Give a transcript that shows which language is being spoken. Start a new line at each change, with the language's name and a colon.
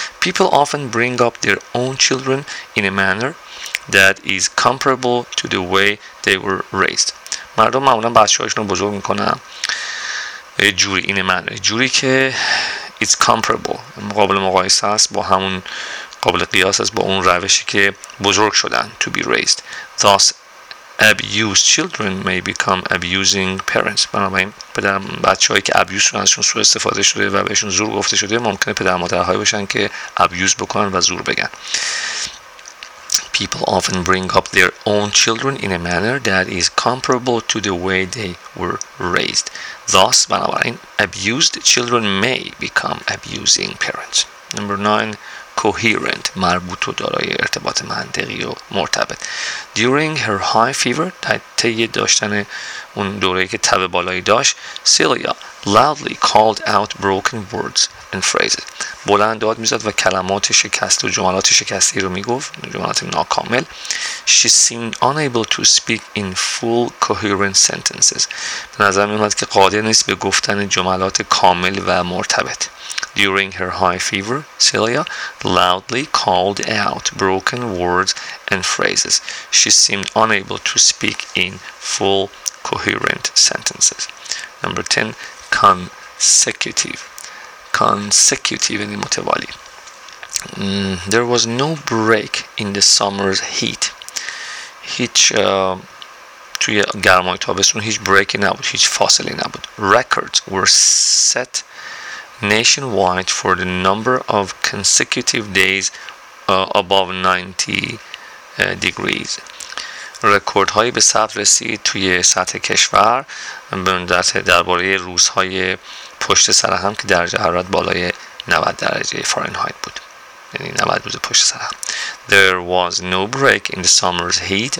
English: People often bring up their own children in a manner that is comparable to the way they were raised.
Persian: مردم معمولا بچه هاشون رو بزرگ میکنن جوری, این معنی جوری که
English: it's comparable,
Persian: قابل مقایسه است با همون, قابل قیاس است با اون روشی که بزرگ شدن,
English: to be raised. Thus abused children may become abusing parents.
Persian: بنابراین پدر بچه هایی که abused شدن, ازشون سوء استفاده شده و بهشون زور گفته شده, ممکنه پدر مادرهایی باشن که abused بکنن و زور بگن.
English: people often bring up their own children in a manner that is comparable to the way they were raised. Thus,
Persian: بنابراین,
English: abused children may become abusing parents. Number 9, coherent,
Persian: مربوط و دارای ارتباط منطقی و مرتبط.
English: During her high fever,
Persian: تیه داشتن اون دوره که تب بالایی داشت,
English: Celia loudly called out broken words and phrases.
Persian: بلند داد میزد و کلمات شکست و جملات شکستی رو میگفت, جملات ناکامل.
English: She seemed unable to speak in full coherent sentences.
Persian: به نظر میومد که قادر نیست به گفتن جملات کامل و مرتبط.
English: During her high fever, Celia loudly called out broken words and phrases. She seemed unable to speak in full coherent sentences. Number 10, consecutive. Consecutive in
Persian: متوالی.
English: There was no break in the summer's heat.
Persian: هیچ توی گرمای تابستون هیچ بریکی نبود, هیچ فاصله نبود.
English: Records were set nationwide for the number of consecutive days above 90 degrees.
Persian: رکورد هایی به ثبت رسید توی سطح کشور درباره روزهای پشت سر هم که درجه حرارت بالای 90 درجه فارنهایت بود, یعنی 90 روز پشت سر هم.
English: There was no break in the summer's heat.